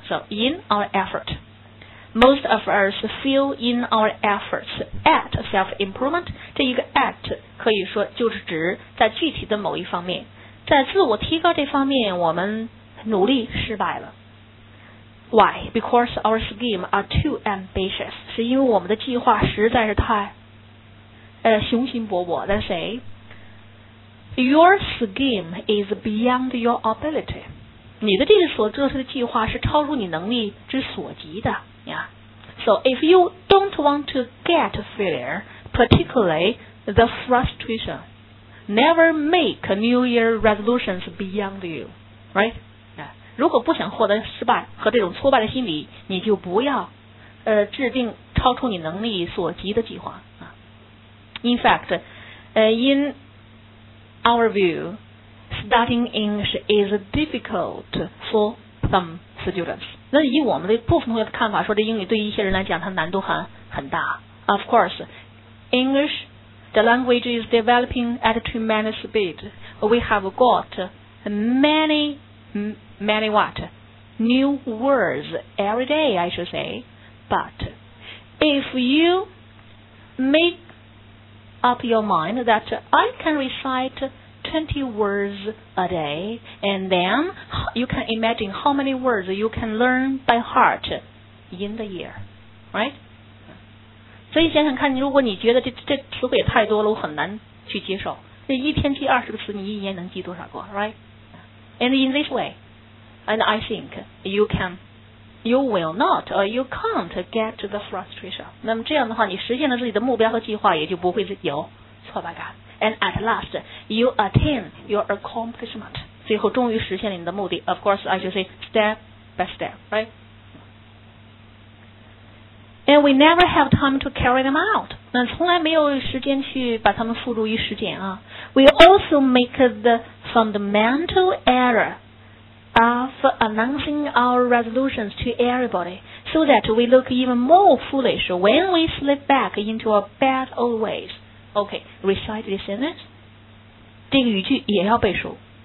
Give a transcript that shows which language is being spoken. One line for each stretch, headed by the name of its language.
English: So in our effort, most of us feel in our efforts at self-improvement.
Chinese: 这一个 at 可以说就是指在具体的某一方面，在自我提高这方面我们努力失败了。
English: Why? Because our scheme are too ambitious.
Chinese: 是因为我们的计划实在是太雄心勃勃。
English: That's say, your scheme is beyond your ability.
Chinese: 你的这个所做出的计划是超出你能力之所及的。
English: Yeah. So if you don't want to get failure, particularly the frustration, never make New Year resolutions beyond you. Right?
Chinese: 如果不想获得失败和这种挫败的心理，你就不要制定超出你能力所及的计划啊。
English: In fact, in our view, studying English is difficult for some students.
Chinese: 那以我们的部分同学的看法说，这英语对于一些人来讲，它难度很大。
English: Of course, English, the language is developing at a tremendous speed. We have got many what? New words every day, I should say. But if you make up your mind that I can recite 20 words a day, and then you can imagine how many words you can learn by heart in the year. Right?
Chinese: 所以想想看，如果你觉得 这词汇也太多了，我很难去接受。这一天记二十个词，你一年能记多少个？
English: Right? And in this way,And I think you will not, or you can't get to the frustration.
Chinese: 那么这样的话，你实现了自己的目标和计划，也就不会有挫败感。
English: And at last, you attain your accomplishment.
Chinese: 最后终于实现了你的目的。
English: Of course, I should say step by step, right? And we never have time to carry them out.
Chinese: 那从来没有时间去把它们付诸于实践啊。
English: We also make the fundamental error. Of announcing our resolutions to everybody so that we look even more foolish when we slip back into our bad old ways. Okay, recite this sentence.
Chinese: 这个语句也要背熟。